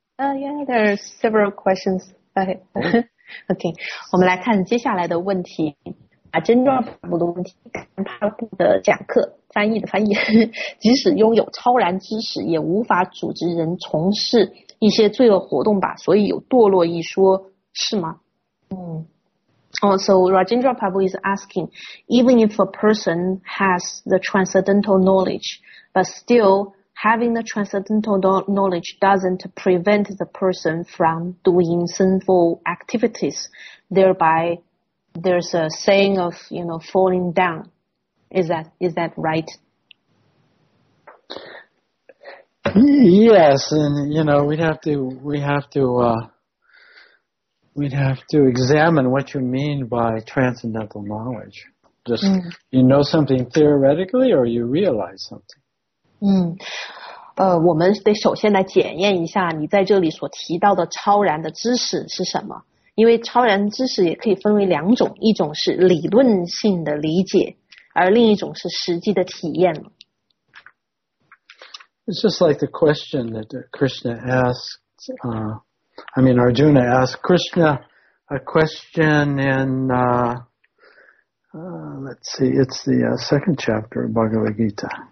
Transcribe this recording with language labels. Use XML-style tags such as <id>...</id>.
<en>Yeah, there are several questions. Okay,</en> <zh>我们来看接下来的问题。啊，真抓普布的问题，看帕布的讲课翻译的翻译，即使拥有超然知识，也无法组织人从事一些罪恶活动吧？所以有堕落一说是吗？</zh> <en>So Rajendra Prabhu is asking, even if a person has the transcendental knowledge, but still having the transcendental knowledge doesn't prevent the person from doing sinful activities, thereby there's a saying of, you know, falling down. Is that right? Yes, and you know, we'd have to examine what you mean by transcendental knowledge. Just, you know something theoretically or you realize something?</en> <zh>我们得首先来检验一下你在这里所提到的超然的知识是什么。因为超然知识也可以分为两种，一种是理论性的理解，而另一种是实际的体验。</zh> <en>It's just like the question that Krishna asked, Arjuna asked Krishna a question in, it's the second chapter of Bhagavad Gita.</en>